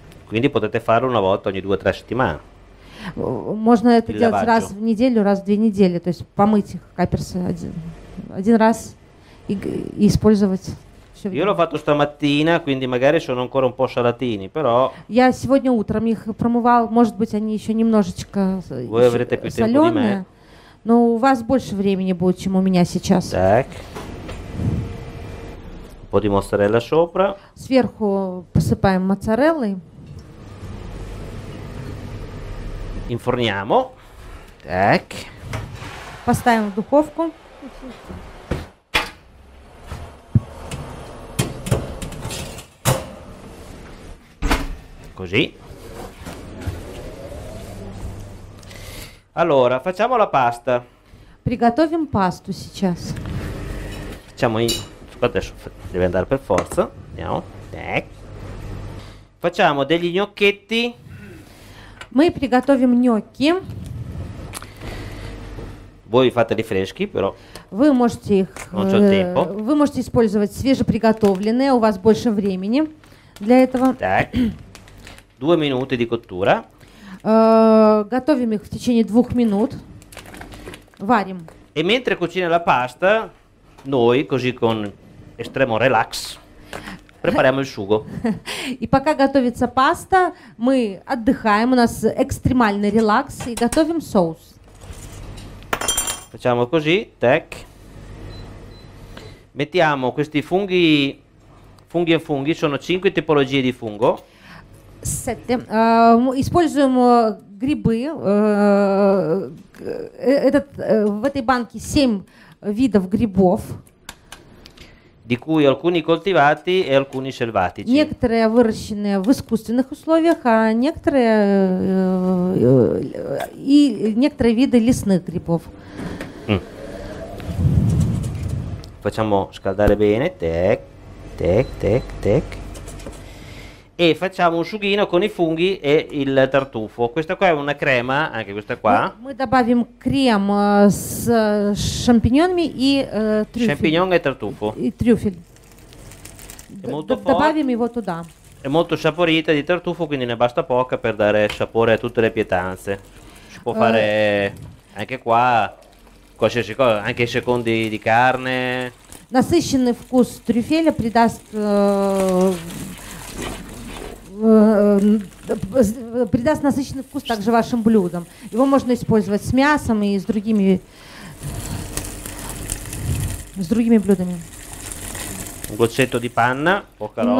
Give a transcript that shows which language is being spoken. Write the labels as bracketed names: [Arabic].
[Italian] Quindi potete farlo una volta ogni 2-3 settimane. [Russian] Можно это Или делать раз в неделю, раз в две недели, то есть помыть их каперсы один раз и использовать. [Italian] Io l'ho fatto stamattina, quindi magari sono ancora un po' salatini, però. [Russian] Я сегодня утром их промывал, может быть, они еще немножечко соленые. Но у вас больше времени будет, чем у меня сейчас. Так. [Italian] Un po' di mozzarella sopra. [Russian] Сверху посыпаем моцареллой. [Italian] Inforniamo. [Russian] Так. Поставим в духовку. [Italian] Così. Allora, facciamo la pasta. [Russian] Приготовим пасту сейчас. [Italian] Facciamo in... Adesso deve andare per forza. Andiamo. [Russian] Так. [Italian] Facciamo degli gnocchetti. [Russian] Мы приготовим гнёкки. [Italian] Voi fateli freschi, però. [Russian] Вы можете их. [Italian] Non c'ho tempo. [Russian] Вы можете использовать свежеприготовленные, у вас больше времени для этого. Так. [Italian] Due minuti di cottura. [Russian] Готовим их в течение двух минут. Варим. [Italian] E mentre cucina la pasta, noi così con estremo relax prepariamo il sugo. [Russian] И пока готовится паста, мы отдыхаем, у нас экстремальный релакс и готовим соус. [Italian] Facciamo così, tac. Mettiamo questi funghi, funghi e funghi, sono 5 tipologie di fungo. Sette. [Russian] Используем грибы. В этой банке 7 видов грибов. [Italian] Di cui alcuni coltivati e alcuni selvatici. [Russian] Некоторые выращены в искусственных условиях, а некоторые и некоторые виды лесных грибов. [Italian] Facciamo scaldare bene, tec, tec, tec, tec. E facciamo un sughino con i funghi e il tartufo. Questa qua è una crema, anche questa qua. [Russian] Мы добавим крем с шампиньонами и трюфель. Шампиньон и тартуфо. И трюфель. Добавим его туда. [Italian] È molto saporita di tartufo, quindi ne basta poca per dare sapore a tutte le pietanze. Si può fare anche qua qualsiasi cosa, anche i secondi di carne. [Russian] Насыщенный вкус трюфеля придаст придаст насыщенный вкус также вашим блюдам. Его можно использовать с мясом и с другими блюдами. [Italian] Goccetto di panna, poca roba.